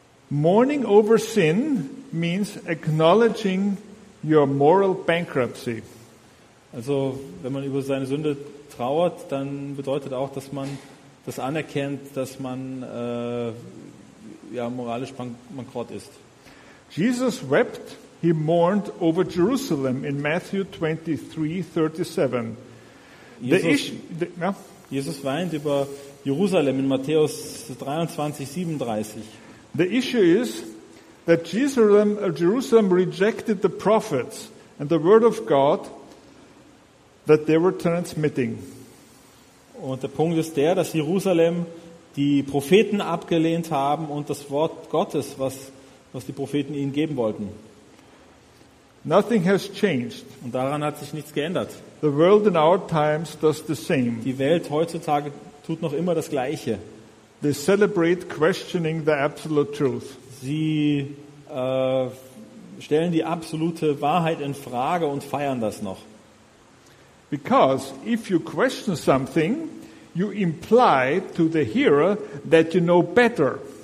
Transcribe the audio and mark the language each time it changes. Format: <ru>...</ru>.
<en>Mourning over sin means acknowledging your moral bankruptcy.</en> <de>Also, wenn man über seine Sünde trauert, dann bedeutet auch, dass man das anerkennt, dass man moralisch bankrott ist.</de> <en>Jesus wept, he mourned over Jerusalem in Matthew 23:37.</en> <de>Jesus weint über Jerusalem in Matthäus 23:37.</de> <en>The issue is that Jerusalem rejected the prophets and the word of God that they were transmitting.</en> <de>Und der Punkt ist der, dass Jerusalem die Propheten abgelehnt haben und das Wort Gottes, was was die Propheten ihnen geben wollten.</de> <en>Nothing has changed.</en> <de>Und daran hat sich nichts geändert.</de> <en>The world in our times does the same.</en> <de>Die Welt heutzutage tut noch immer das Gleiche.</de> <en>They celebrate questioning the absolute truth.</en> <de>Sie stellen die absolute Wahrheit in Frage und feiern das noch.</de> <en>Because if you question something, you imply to the hearer that you know better.</en>